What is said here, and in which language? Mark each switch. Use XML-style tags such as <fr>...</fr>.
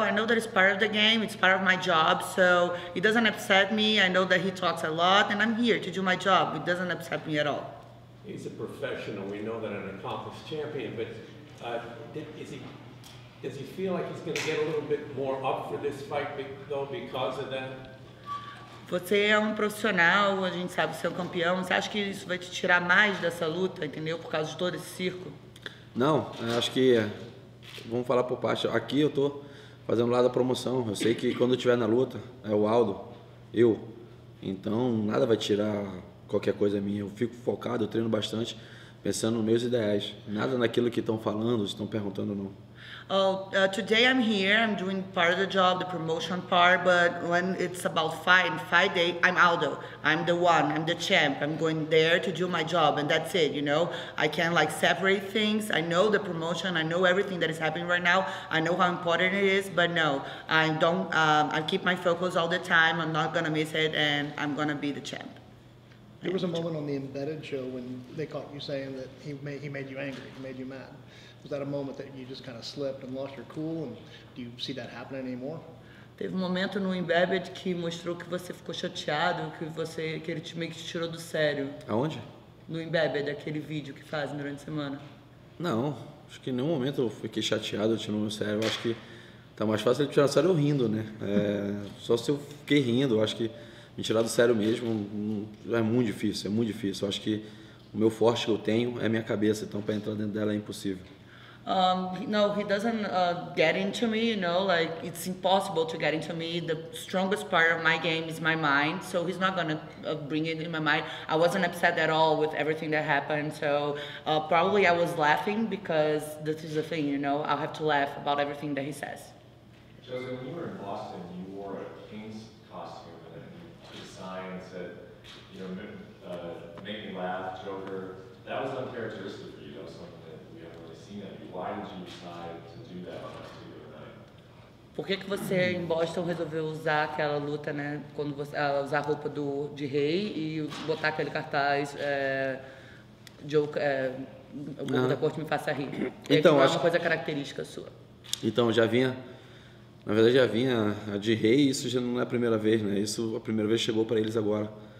<en>I know that it's part of the game, it's part of my job, so it doesn't upset me. I know that he talks a lot, and I'm here to do my job. It doesn't upset me at all. He's a professional. We know that an accomplished champion, but does he feel like he's going to get a little bit more up for this fight, though, because of that?</en> <pt>Você é um profissional, a gente sabe, você é um campeão. Você acha que isso vai te tirar mais dessa luta, entendeu? Por causa de todo esse circo? Não, eu acho que... Vamos falar por parte, aqui eu tô fazendo lado da promoção, eu sei que quando eu estiver na luta, é o Aldo, eu, então nada vai tirar qualquer coisa minha, eu fico focado, eu treino bastante, pensando nos meus ideais, nada naquilo que estão falando, estão perguntando não.</pt> <en>Today I'm here, I'm doing part of the job, the promotion part, but when it's about fight day, I'm Aldo, I'm the one, I'm the champ, I'm going there to do my job, and that's it, you know, I can like separate things, I know the promotion, I know everything that is happening right now, I know how important it is, but no, I don't, I keep my focus all the time, I'm not gonna miss it, and I'm gonna be the champ. There was a moment on the Embedded show when they caught you saying that he made you angry, he made you mad. Was that a moment that you just kind of slipped and lost your cool? And do you see that happening anymore?</en> <pt>Teve um momento no Embedded que mostrou que você ficou chateado, que ele meio que te tirou do sério. Aonde? No Embedded, aquele vídeo que fazem durante a semana. Não, acho que em nenhum momento eu fiquei chateado, eu tirou do sério. Eu acho que tá mais fácil ele tirar do sério eu rindo, né? só se eu fiquei rindo, eu acho que me tirar do sério mesmo é muito difícil, é muito difícil. Eu acho que o meu forte que eu tenho é a minha cabeça, então para entrar dentro dela é impossível.</pt> <en>No, he doesn't get into me, you know, like it's impossible to get into me. The strongest part of my game is my mind, so he's not gonna bring it in my mind. I wasn't upset at all with everything that happened, so probably I was laughing because this is the thing, you know, I'll have to laugh about everything that he says. Jose, when you were in Boston, you wore a Kings costume and the sign said, you know, make me laugh, Joker. That was uncharacteristic for you, that was something that we haven't really seen. Why did you decide to do that on that studio night?</en> <pt>Por que você em Boston resolveu usar aquela luta, né? Quando você usar a roupa do de rei e botar aquele cartaz Joker, o povo da corte me faça rir. Então, acho é uma coisa característica sua. Então, já vinha. Na verdade, já vinha a de rei, isso já não é a primeira vez, né? Isso a primeira vez chegou para eles agora.</pt>